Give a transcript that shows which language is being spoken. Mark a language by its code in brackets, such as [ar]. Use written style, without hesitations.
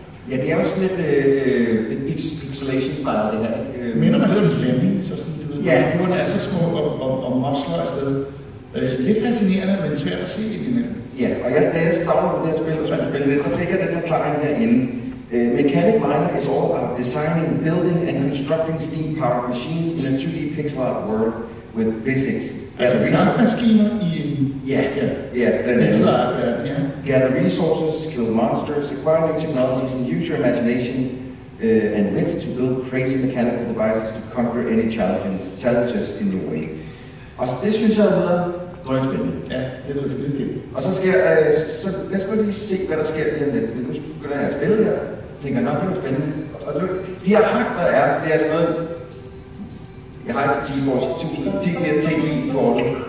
[da] Ja, det er jo sådan lidt pixelation-style, det her. Minder mig lidt om Fleming, så sådan, du ved, ja. Figurerne er så små og muskler af sted. Lidt fascinerende, men svært at se i det her. Ja, og jeg, da jeg spørger på det her spil, så spiller det, så fik jeg den forklaring herinde. [en] Mechanic Miner is all about designing, building and constructing steam-powered machines in a 2D pixel art world with physics. [da] Altså dampmaskiner i en... Ja, ja. Pixel art, ja. [en] Gather resources, kill monsters, acquire new technologies and use your imagination and wit to build crazy mechanical devices to conquer any challenges in your way. [da] Og så det synes jeg er noget godt spændende. Ja, det er skide skidt. Og så skal jeg, så lad os lige se, hvad der sker lige om lidt. Nu skal jeg spille her. Tænker, nå, det er spændende. Og nu, de her hak, der er, det er sådan noget... Jeg har ikke GeForce 1080 Ti-kort.